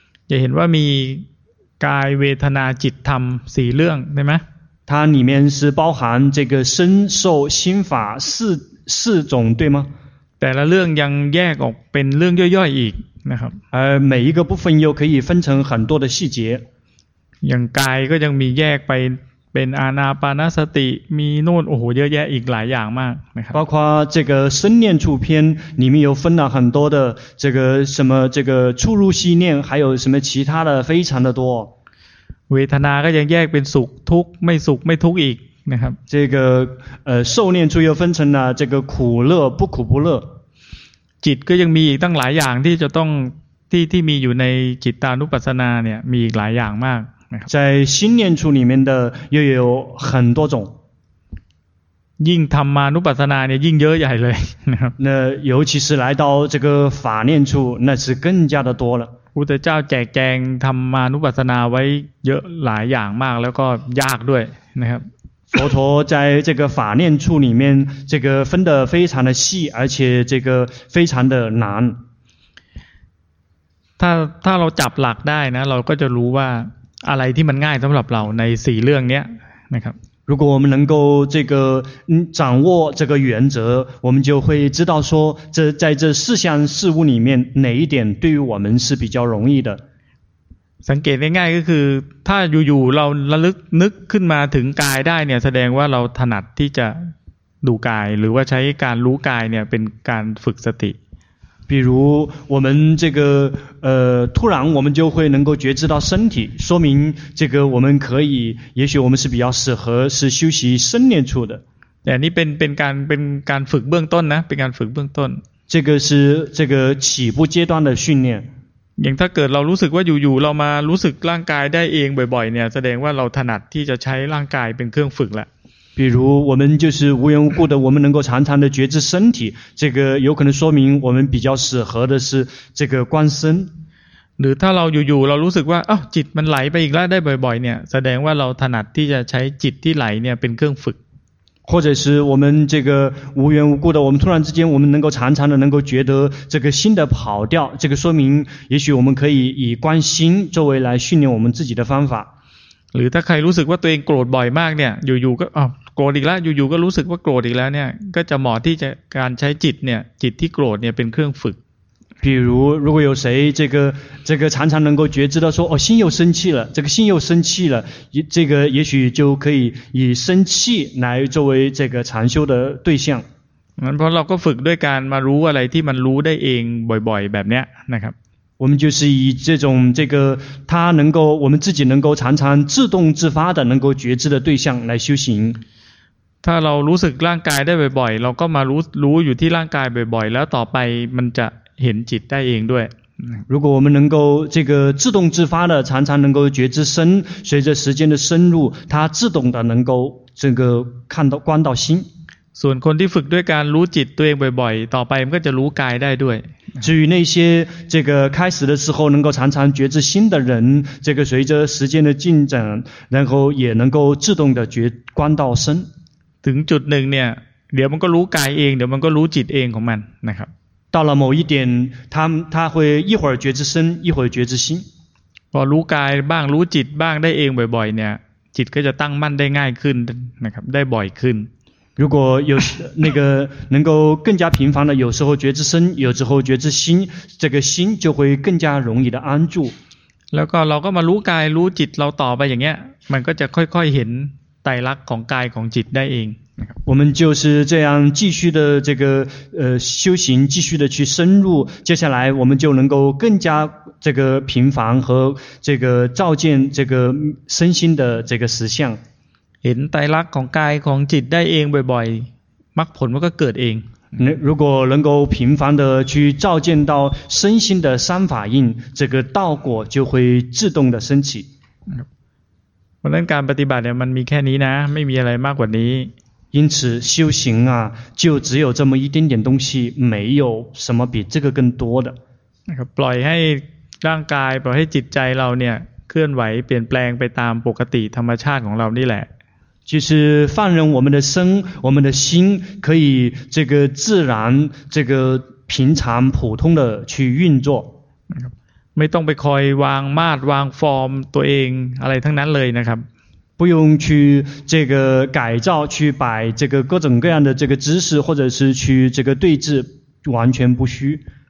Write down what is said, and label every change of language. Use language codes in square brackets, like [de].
[th] จะเห็นว่ามีกายเวทนาจิตธรรม4เรื่องได้มั้ย [zh] 它里面是包含这个身受心法四种对吗 [th] แต่ละเรื่องยังแยกออกเป็นเรื่องย่อยๆอีกนะครับ [zh] 每一个部分又可以分成很多的细节 [th] อย่างกายก็ยังมีแยกไป ป็นอานาปานสติมีนู่นโอ้โหเยอะแยะอีกหลายอย่างมากนะครับ [zh] 包括这个身念处篇里面有分了很多的这个什么这个出入息念还有什么其他的非常的多 [th] เวทนาก็ยังแยกเป็นสุขทุกข์ไม่สุขไม่ทุกข์อีกนะครับ [zh] 这个受念处又分成了这个苦乐不苦不乐 [th] จิตก็ยังมีอีกตั้งหลายอย่างที่จะต้องที่มีอยู่ในจิตตานุปัสสนาเนี่ยมีอีกหลายอย่างมาก [zh] 在心念处里面的又有很多种 [th] ยิ่งธรรมานุปัสสนาเนี่ยยิ่งเยอะใหญ่เลย [zh] 那尤其是来到这个法念处那是更加的多了 [th] พุทธเจ้าแจกแจงธรรมานุปัสสนาไว้เยอะหลายอย่างมากแล้วก็ยากด้วยนะครับ [zh] 佛陀在这个法念处里面这个分得非常的细而且这个非常的难 [th] ถ้าเราจับหลักได้นะเราก็จะรู้ว่าอะไรที่มันง่ายสำหรับเราในสี่เรื่องนี้นะครับ [zh] 如果我们能够这个掌握这个原则我们就会知道说这在这四项事物里面哪一点对于我们是比较容易的 [th] สังเกตง่ายก็คือถ้าอยู่ๆเราระลึกนึกขึ้นมาถึงกายได้เนี่ยแสดงว่าเราถนัดที่จะดูกายหรือว่าใช้การรู้กายเนี่ยเป็นการฝึกสติ [zh] 比如我们这个突然我们就会能够觉知到身体说明这个我们可以也许我们是比较适合是修习身念处的 [th] แต่นี่เป็นการฝึกเบื้องต้นนะเป็นการฝึกเบื้องต้น [zh] 这个是这个起步阶段的训练 [th] อย่างถ้าเกิดเรารู้สึกว่าอยู่ๆเรามารู้สึกร่างกายได้เองบ่อยๆเนี่ยแสดงว่าเราถนัดที่จะใช้ร่างกายเป็นเครื่องฝึกละ [zh] 比如我们就是无缘无故的我们能够常常的觉知身体这个有可能说明我们比较适合的是这个观身 [th] หรือถ้าเราอยู่เรารู้สึกว่าจิตมันไหลไปอีกแล้วได้บ่อยๆเนี่ยแสดงว่าเราถนัดที่จะใช้จิตที่ไหลเนี่ยเป็นเครื่องฝึก [zh] 或者是我们这个无缘无故的我们突然之间我们能够常常的能够觉得这个心的跑掉这个说明也许我们可以以观心作为来训练我们自己的方法 [th] หรือถ้าใครรู้สึกว่าตัวเองโกรธบ่อยมากเนี่ยอยู่ๆก็โกรธอีกแล้วอยู่ๆก็รู้สึกว่าโกรธอีกแล้วเนี่ยก็จะเหมาะที่จะการใช้จิตเนี่ยจิตที่โกรธเนี่ยเป็นเครื่องฝึก [zh] 比如如果有谁这个常常能够觉知到说哦心又生气了这个心又生气了这个也许就可以以生气来作为这个禅修的对象 [th] เพราะเราก็ฝึกด้วยการมารู้อะไรที่มันรู้ได้เองบ่อยๆแบบเนี้ยนะครับ [zh] 我们就是以这种这个他能够我们自己能够常常自动自发的能够觉知的对象来修行 [th] ถ้าเรารู้สึกร่างกายได้บ่อยๆเราก็มารู้อยู่ที่ร่างกายบ่อยๆแล้วต่อไปมันจะเห็นจิตได้เองด้วย [zh] 如果我们能够这个自动自发的常常能够觉知身随着时间的深入它自动的能够这个看到观到心 [th] ส่วนคนที่ฝึกด้วยการรู้จิตตัวเองบ่อยๆต่อไปมันก็จะรู้กายได้ด้วย [zh] 至于那些这个开始的时候能够常常觉知心的人这个随着时间的进展然后也能够自动的觉观到身 [th] ถึงจุดหนึ่งเนี่ยเดี๋ยวมันก็รู้กายเองเดี๋ยวมันก็รู้จิตเองของมันนะครับ [zh] 到了某一点他会一会儿觉知身一会儿觉知心 [th] พอรู้กายบ้างรู้จิตบ้างได้เองบ่อยๆเนี่ยจิตก็จะตั้งมั่นได้ง่ายขึ้นนะครับได้บ่อยขึ้น [zh] 如果有那个能够更加频繁的有时候觉知身有时候觉知心这个心就会更加容易的安住 [th] แล้วก็เราก็มารู้กายรู้จิตเราต่อไปอย่างเงี้ยมันก็จะค่อยๆเห็นไตรลักษณ์ของกายของจิตได้เอง [zh] 我们就是这样继续的这个修行继续的去深入接下来我们就能够更加这个频繁和这个照见这个身心的这个实相 [th] เห็นไตรลักษณ์ของกายของจิตได้เองบ่อยๆมรรคผลมันก็เกิดเอง [zh] 如果能够频繁的去照见到身心的三法印这个道果就会自动的升起 [th] เพราะนั้นการปฏิบัติเนี่ยมันมีแค่นี้นะไม่มีอะไรมากกว่านี้ [zh] 因此修行啊就只有这么一点点东西没有什么比这个更多的 [th] ปล่อยให้ร่างกายปล่อยให้จิตใจเราเนี่ยเคลื่อนไหวเปลี่ยนแปลงไปตามปกติธรรมชาติของเรานี่แหละ [zh] 就是放任我们的身我们的心可以这个自然这个平常普通的去运作 [th] ไม่ต้องไปคอยวางมาตรวางฟอร์มตัวเองอะไรทั้งนั้นเลยนะครับ [zh] 不用去这个改造去摆这个各种各样的这个姿势或者是去这个对峙完全不需